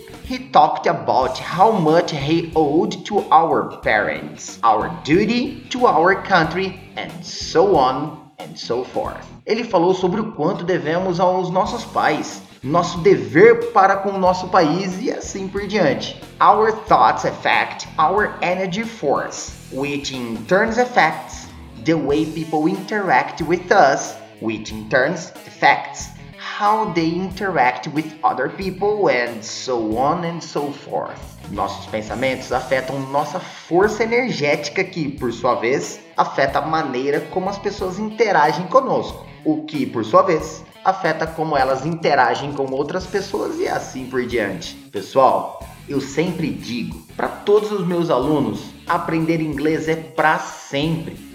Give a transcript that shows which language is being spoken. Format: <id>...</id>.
<en>He talked about how much he owed to our parents, our duty to our country, and so on and so forth.</en> <pt>Ele falou sobre o quanto devemos aos nossos pais, nosso dever para com o nosso país e assim por diante.</pt> <en>Our thoughts affect our energy force, which in turn affects the way people interact with us, which in turn affects how they interact with other people, and so on and so forth.</en> <pt>Nossos pensamentos afetam nossa força energética que, por sua vez, afeta a maneira como as pessoas interagem conosco, o que, por sua vez, afeta como elas interagem com outras pessoas e assim por diante. Pessoal, eu sempre digo para todos os meus alunos, aprender inglês é para sempre.</pt>